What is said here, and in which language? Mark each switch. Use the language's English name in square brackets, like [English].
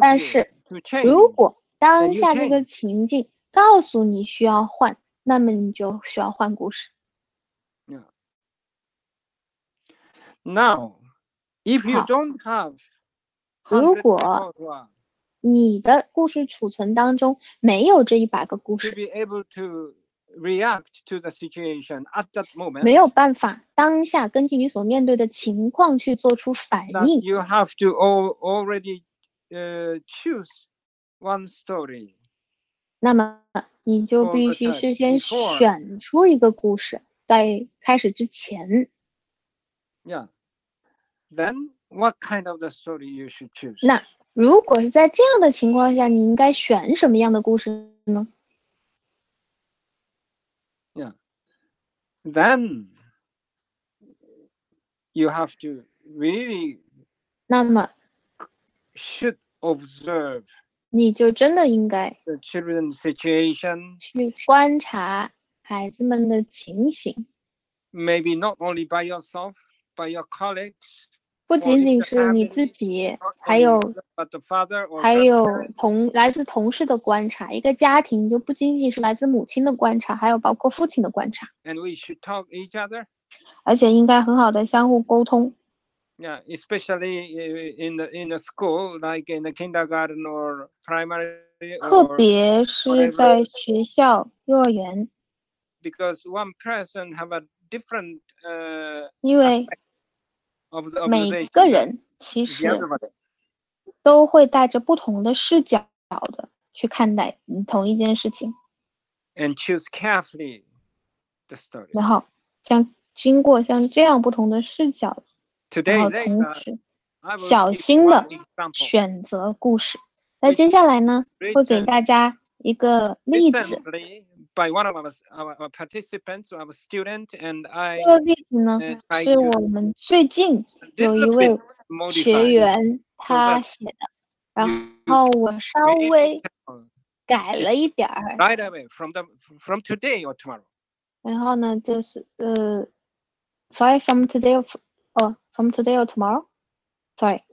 [Chinese] 但是如果当下这个情境告诉你需要换，那么你就需要换故事。 [English] Now, if you don't have, [Chinese] 如果你的故事储存当中没有这一百个故事 [English] ，to be able to react to the situation at that moment, [Chinese] 没有办法当下根据你所面对的情况去做出反应。 [English] You have to already, choose one story. [Chinese] 那么你就必须事先选出一个故事，在开始之前。 [English] Yeah. Then what kind of the story you should choose? [Chinese] 那如果是在这样的情况下，你应该选什么样的故事呢？ [English] Yeah. Then you have to really [Chinese] 那么 [English] should observe [Chinese] 你就真的应该 [English] the children's situation [Chinese] 去观察孩子们的情形。 [English] Maybe not only by yourself. By your colleagues, [Chinese] 不仅仅是你自己，还有 [English] father, [Chinese] 还有来自同事的观察。一个家庭就不仅仅是来自母亲的观察，还有包括父亲的观察。 [English] And we should talk each other. [Chinese] 而且应该很好的相互沟通。 [English] Yeah, especially in the school, like in the kindergarten or primary. [Chinese] 特别是在学校、幼儿园。 [English] Because one person have a different, [Chinese] 因为每个人其实都会带着不同的视角的去看待同一件事情。 [English] And choose carefully the story. [Chinese] 然后像经过像这样不同的视角 [English] Today, [Chinese] 然后同时小心的选择故事。那接下来呢会给大家一个例子。 [English] By one of our participants, our student, and I. [Chinese] 这个例子呢，是我们最近有一位学员他写的，然后我稍微改了一点儿。 [English] Right away, from today or tomorrow. [Chinese] 然后呢，就是 [English] sorry, from today or from today or tomorrow. Sorry.